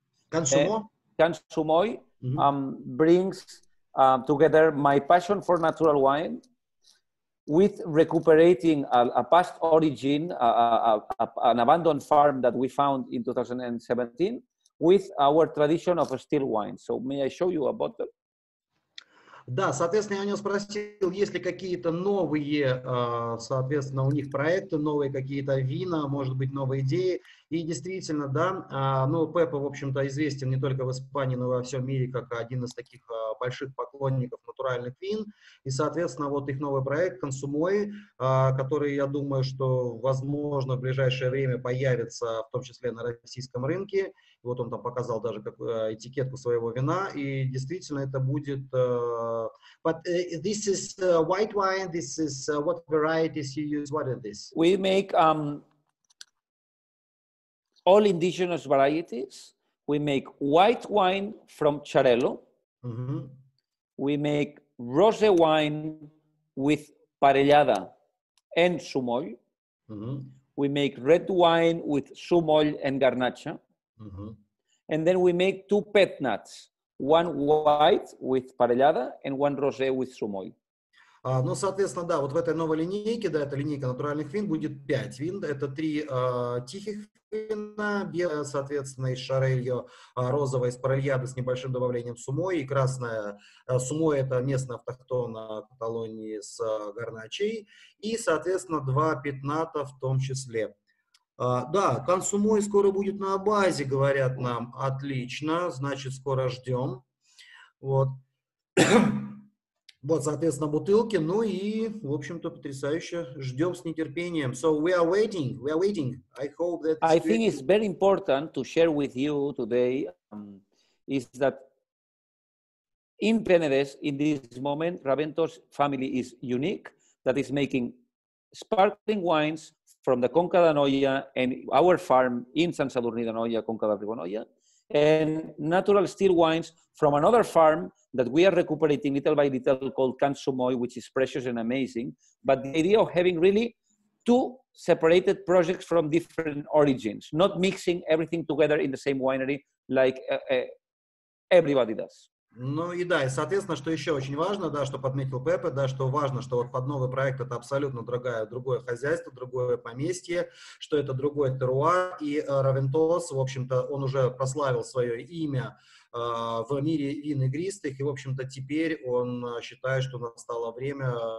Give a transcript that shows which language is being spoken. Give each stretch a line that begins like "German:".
English: Cansumoy mm-hmm. Brings together my passion for natural wine with recuperating a past origin, an abandoned farm that we found in 2017. With our tradition of a still wine. So may I show you a bottle?
Russian: Да, соответственно, я у него спросил, есть ли какие-то новые, соответственно, у них проекты, новые какие-то вина, может быть, новые идеи. И действительно, да, ну, Пепа, в общем-то, известен не только в Испании, но и во всем мире, как один из таких больших поклонников натуральных вин. И, соответственно, вот их новый проект «Консумой», который, я думаю, что, возможно, в ближайшее время появится, в том числе на российском рынке. Вот он там показал даже как, этикетку своего вина. И действительно, это будет...
English: But this is white wine, this is what varieties you use, what are these? We make... All indigenous varieties. We make white wine from Charello. Mm-hmm. We make rosé wine with parellada and sumoll. Mm-hmm. We make red wine with sumoll and garnacha. Mm-hmm. And then we make two pet nuts, one white with parellada and one rosé with sumoll.
Russian: Ну, соответственно, да, вот в этой новой линейке, да, это линейка натуральных вин, будет 5 вин. Это 3 тихих вина, белое, соответственно, из шарельо, розовое из парельяда с небольшим добавлением сумой и красное. Сумой – это местная автохтона Каталонии с гарначей. И, соответственно, 2 пятната в том числе. Да, консумой скоро будет на базе, говорят нам. Отлично, значит, скоро ждем. Вот. Вот, соответственно, бутылки, ну и, в общем-то, потрясающе. Ждем с нетерпением.
English: So we are waiting. I hope that... I think it's very important to share with you today is that in Penedès, in this moment, Raventos family is unique, that is making sparkling wines from the Conca d'Anoia and our farm in San Sadurní d'Anoia, Conca de Ribanoia, and natural still wines from another farm that we are recuperating little by little called Cansumoy, which is precious and amazing. But the idea of having really two separated projects from different origins, not mixing everything together in the same winery like everybody does.
Russian: Ну и да, и соответственно, что еще очень важно, да, что подметил Пепе, да, что важно, что вот под новый проект это абсолютно другая, другое хозяйство, другое поместье, что это другой терруар, и Raventos, в общем-то, он уже прославил свое имя в мире виноигристых, и, в общем-то, теперь он считает, что настало время